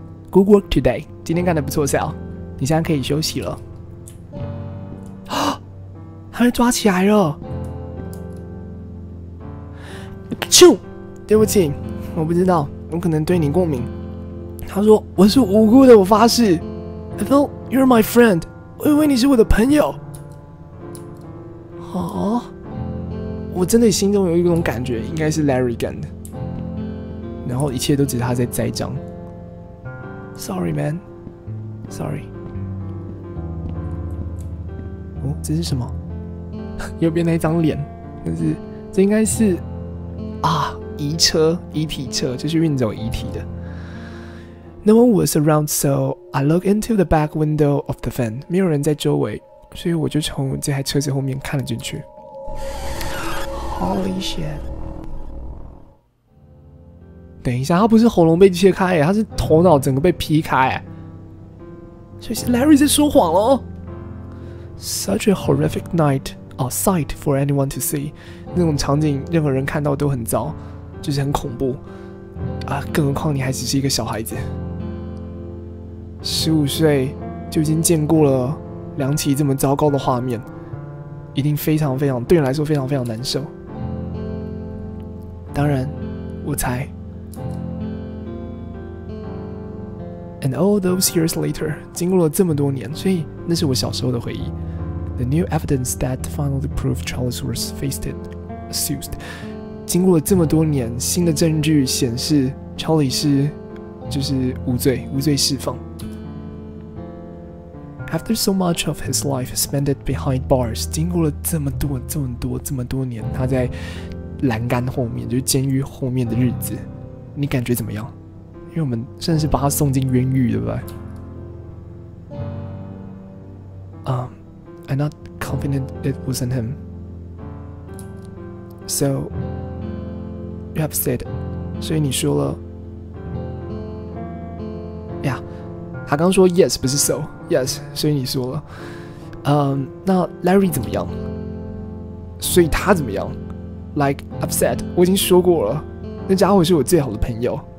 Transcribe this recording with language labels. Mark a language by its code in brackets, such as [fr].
[en] Good work today， [zh] 今天干得不错 ，Sal， 你现在可以休息了。他被抓起来了。咻！对不起，我不知道，我可能对你过敏。他说我是无辜的，我发誓。 [en] I thought you're my friend， [zh] 我以为你是我的朋友。哦，我真的心中有一种感觉，应该是 Larry 干的。然后一切都只是他在栽赃。 [en] Sorry, man. Sorry. [zh] 哦，这是什么？右边那一张脸，这应该是。遗车，遗体车，就是运走遗体的。 [en] No one was around, so I look into the back window of the van. [zh] 没有人在周围，所以我就从这台车子后面看了进去。 [en] Holy shit！ [zh] 等一下，他不是喉咙被切开，他是头脑整个被劈开。所以是 Larry 在说谎哦。 [en] Such a horrific night, a sight for anyone to see. [zh] 那种场景，任何人看到都很糟。就是很恐怖。啊，更何况你还只是一个小孩子，15岁就已经见过了梁琪这么糟糕的画面，一定非常非常对你来说非常非常难受。当然，我猜。 [en] And all those years later， [zh] 经过了这么多年，所以那是我小时候的回忆。 [en] The new evidence that finally proved Charles was faced and accused。 [zh] 经过了这么多年，新的证据显示 Charlie 是就是无罪，无罪释放。 [en] After so much of his life spent behind bars， [zh] 经过了这么多年，他在栏杆后面，就是监狱后面的日子，你感觉怎么样？因为我们算是把他送进冤狱，对不对？ [en] I'm not confident it wasn't him. So you have said， [zh] 所以你说了，呀、yeah, ，他刚说 yes 不是 so yes， 所以你说了，那 Larry 怎么样？所以他怎么样 ？ [en] Like I've said， [zh] 我已经说过了，那家伙是我最好的朋友。